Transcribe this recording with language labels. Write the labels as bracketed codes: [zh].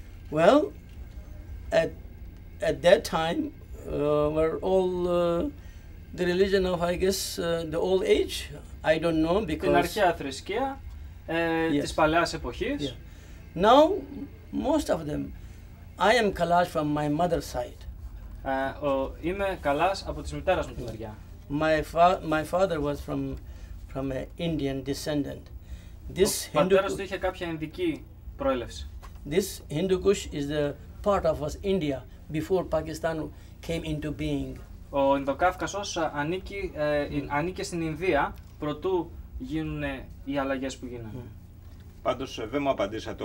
[en] Well, at that time, were all the religion of, I guess, the old age. I don't know because... [el] Την αρχαία θρησκεία της παλαιάς εποχής. [en] Yeah. Now, most of them. I am Kalash from my mother's side. [el] Είμαι Kalash από τη μητέρα μου την μεριά. [en] My father was from an Indian descendant. This Hindu. [el] Ο πατέρας του είχε κάποια ινδική προέλευση. [en] This Hindu Kush is the part of us India before Pakistan came into being. [el] Ο Ινδοκαύκασος ανήκει στην Ινδία προτού γίνουν οι αλλαγές που γίνανε. Πάντως δεν μου απαντήσατε.